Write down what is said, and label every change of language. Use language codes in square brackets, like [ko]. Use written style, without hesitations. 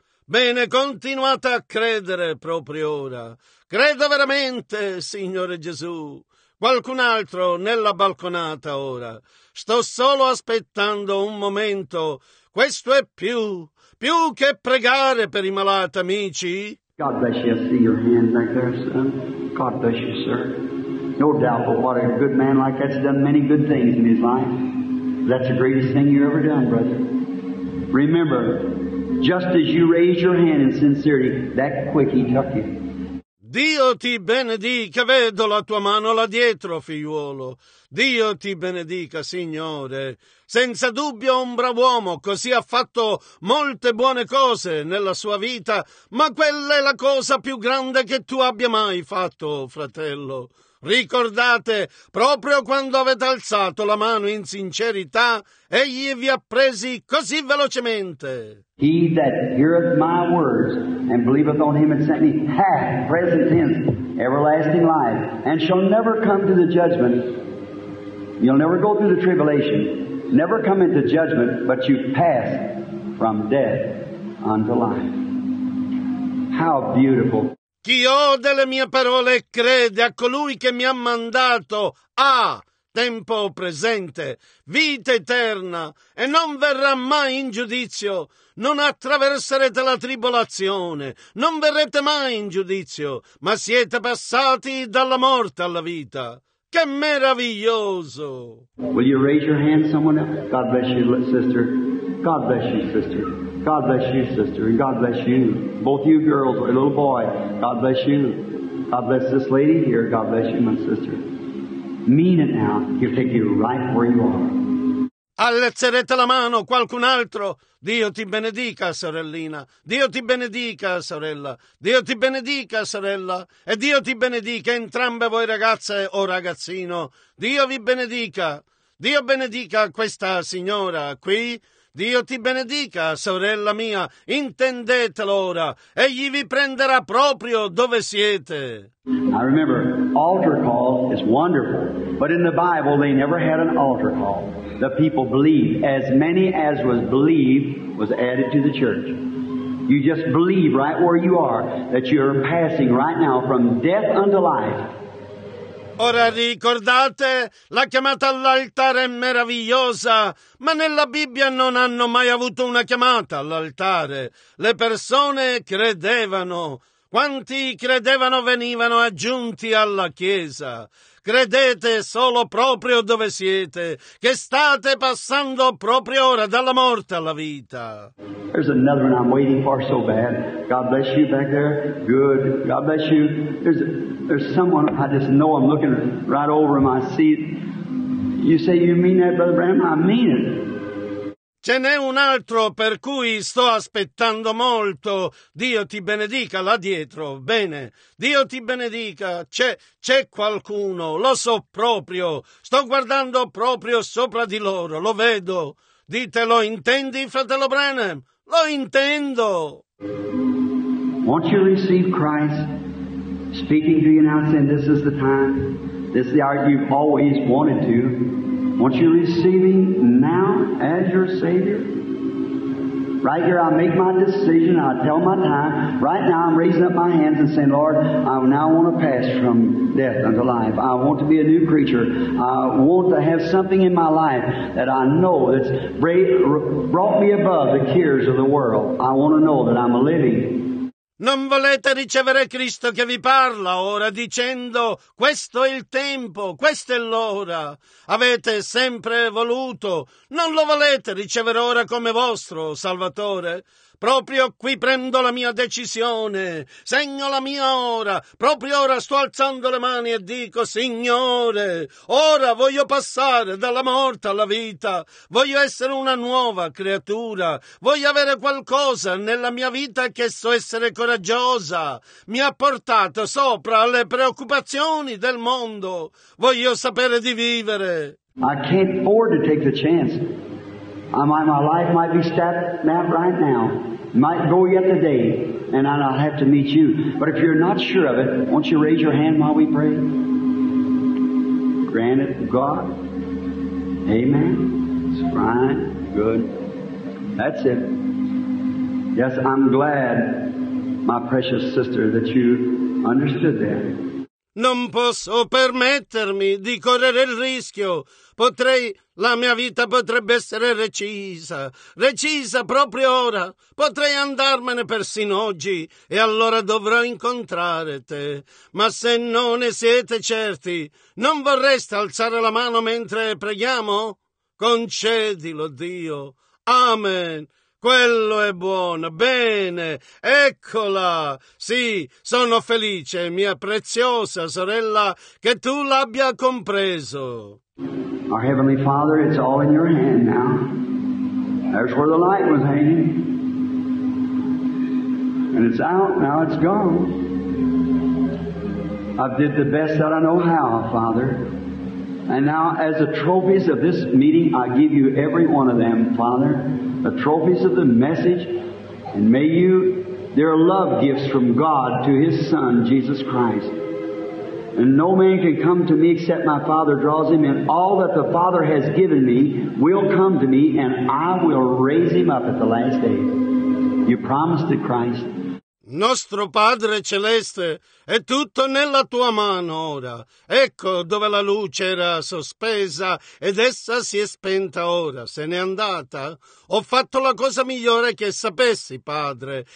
[it] Bene, continuate a credere proprio ora. Credo veramente, Signore Gesù. Qualcun altro nella balconata ora. Sto solo aspettando un momento. Questo è più che pregare per i malati, amici. [en] God bless you. I see your hand back there, son. God bless you, sir. No doubt but what a good man like that's done many good things in his life. That's the greatest thing you've ever done, brother. Remember, just as you raise your hand in sincerity, that quick he took you. [it] Dio ti benedica, vedo la tua mano là dietro, figliuolo. Dio ti benedica, Signore. Senza dubbio un bravo uomo, così ha fatto molte buone cose nella sua vita, ma quella è la cosa più grande che tu abbia mai fatto, fratello. Ricordate, proprio quando avete alzato la mano in sincerità, egli vi ha presi così velocemente. [en] He that heareth my words and believeth on him that sent me hath present tense everlasting life and shall never come to the judgment. You'll never go through the tribulation, never come into judgment, but you pass from death unto life. How beautiful. [it] Chi ode le mie parole e crede a colui che mi ha mandato ha tempo presente, vita eterna, e non verrà mai in giudizio. Non attraverserete la tribolazione, non verrete mai in giudizio, ma siete passati dalla morte alla vita. Che meraviglioso! [en] Will you raise your hand, someone else? God bless you, sister. God bless you, sister. God bless you, sister, and God bless you. Both you girls, or a little boy, God bless you. God bless this lady here. God bless you, my sister. Mean it now. He'll take you right where you are. [it] Alzerete la mano, qualcun altro? Dio ti benedica, sorellina. Dio ti benedica, sorella. Dio ti benedica, sorella. E Dio ti benedica, entrambe voi ragazze o ragazzino. Dio vi benedica. Dio benedica questa signora qui. Dio ti benedica, sorella mia, intendetelo ora, egli vi prenderà proprio dove siete. [en] I remember, altar call is wonderful, but in the Bible they never had an altar call. The people believed. As many as was believed was added to the church. You just believe right where you are that you're passing right now from death unto life. [it] Ora ricordate, la chiamata all'altare è meravigliosa, ma nella Bibbia non hanno mai avuto una chiamata all'altare. Le persone credevano. Quanti credevano venivano aggiunti alla Chiesa. Credete solo proprio dove siete, che state passando proprio ora dalla morte alla vita. [en] There's another one I'm waiting for so bad. God bless you back there. Good. God bless you. There's someone I just know I'm looking right over my seat. You say you mean that, Brother Bram? I mean it. [it] Ce n'è un altro per cui sto aspettando molto. Dio ti benedica là dietro. Bene. Dio ti benedica. C'è qualcuno. Lo so proprio. Sto guardando proprio sopra di loro. Lo vedo. Ditelo, intendi, fratello Branham? Lo intendo. [en] Won't you receive Christ speaking to you now, saying this is the time, this is the hour you've always wanted to. Won't you receive Him now as your Savior? Right here, I make my decision, I tell my time. Right now, I'm raising up my hands and saying, Lord, I now want to pass from death unto life. I want to be a new creature. I want to have something in my life that I know that's brought me above the cares of the world. I want to know that I'm a living. [it] Non volete ricevere Cristo che vi parla ora dicendo questo è il tempo, questa è l'ora. Avete sempre voluto. Non lo volete ricevere ora come vostro Salvatore? Proprio qui prendo la mia decisione. Segno la mia ora. Proprio ora sto alzando le mani e dico, Signore, ora voglio passare dalla morte alla vita. Voglio essere una nuova creatura. Voglio avere qualcosa nella mia vita che so essere coraggiosa. Mi ha portato sopra le preoccupazioni del mondo. Voglio sapere di vivere. [en] I can't afford to take the chance. My life might be snapped right now, might go yet today, and I'll have to meet you. But if you're not sure of it, won't you raise your hand while we pray? Grant it, God. Amen. It's fine. Good. That's it. Yes, I'm glad, my precious sister, that you understood that. [it] Non posso permettermi di correre il rischio. La mia vita potrebbe essere recisa proprio ora. Potrei andarmene persino oggi e allora dovrò incontrare te. Ma se non ne siete certi, non vorreste alzare la mano mentre preghiamo? Concedilo, Dio. Amen. Quello è buono. Bene. Eccola. Sì, sono felice, mia preziosa sorella, che tu l'abbia compreso. [en] Our Heavenly Father, it's all in your hand now. There's where the light was hanging. And it's out, now it's gone. I've did the best that I know how, Father. And now as the trophies of this meeting, I give you every one of them, Father. The trophies of the message. And may you, they're love gifts from God to His Son, Jesus Christ. And no man can come to me except my Father draws him, and all that the Father has given me will come to me, and I will raise him up at the last day. You promised it, Christ. [it] Nostro Padre Celeste, è tutto nella tua mano ora. Ecco dove la luce era sospesa ed essa si è spenta ora. Se n'è andata? Ho fatto la cosa migliore che sapessi, Padre.